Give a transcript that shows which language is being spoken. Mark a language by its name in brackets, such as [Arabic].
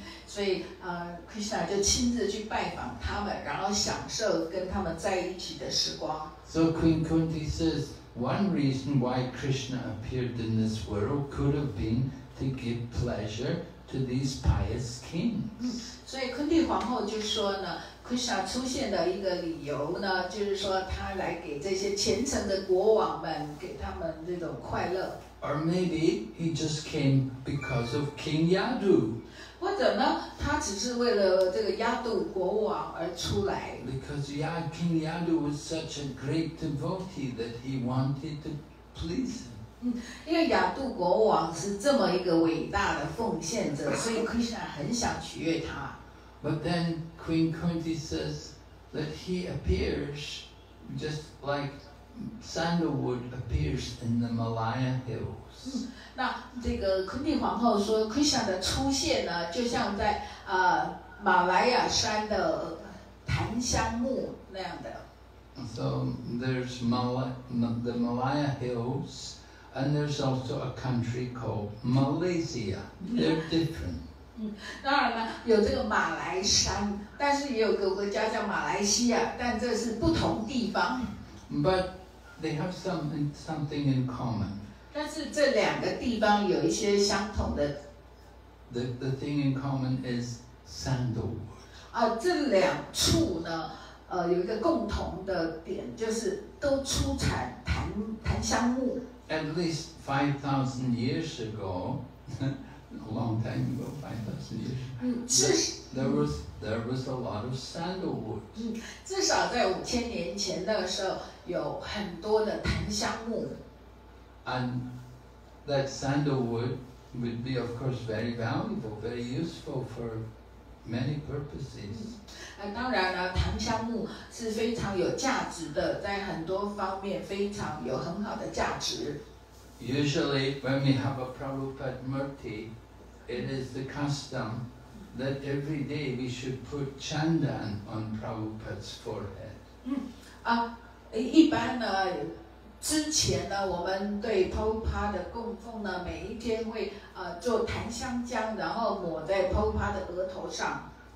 [Chinese] 所以Krishna 就亲自去拜访他们，然后享受跟他们在一起的时光。 [English] So Queen Kunti says. One reason why Krishna appeared in this world could have been to give pleasure to these pious kings. [Chinese] 所以昆蒂皇后就说呢 ，Krishna 出现的一个理由呢，就是说他来给这些虔诚的国王们，给他们这种快乐。 [English] Or maybe he just came because of King Yadu. [Chinese] 或者呢，他只是为了这个亚杜国王而出来。 [English] Because King Yadu was such a great devotee that he wanted to please him. [Chinese] 因为亚杜国王是这么一个伟大的奉献者，所以 Krishna 很想取悦他。 [English] But then Queen Kunti says that he appears just like. Sandalwood appears in the Malaya Hills. [Chinese] 那这个昆蒂皇后说 ，Krishna 的出现呢，就像在马来亚山的檀香木那样的。 [English] So there's the Malaya Hills, and there's also a country called Malaysia. They're different. [Chinese] 当然了，有这个马来山，但是也有个国家叫马来西亚，但这是不同地方。 [English] But they have something in common. [Chinese] 但是这两个地方有一些相同的。 [English] The thing in common is sandalwood. [Chinese] 这两处呢，有一个共同的点，就是都出产檀香木。 [English] At least 5,000 years ago, a long time ago, 5,000 years. There was a lot of sandalwood. [Chinese] 至少在5000年前的时候。有很多的檀香木 [English] ，and that sandalwood would be of course very valuable, very useful for many purposes. [Chinese] 当然了，檀香木是非常有价值的，在很多方面非常有很好的价值。 [English] Usually, when we have a Prabhupada Murti, it is the custom that every day we should put chandan on Prabhupada's forehead. [Chinese] 一般呢，之前呢，我们对 Prabhupada 的供奉呢，每一天会做檀香浆，然后抹在 Prabhupada 的额头上。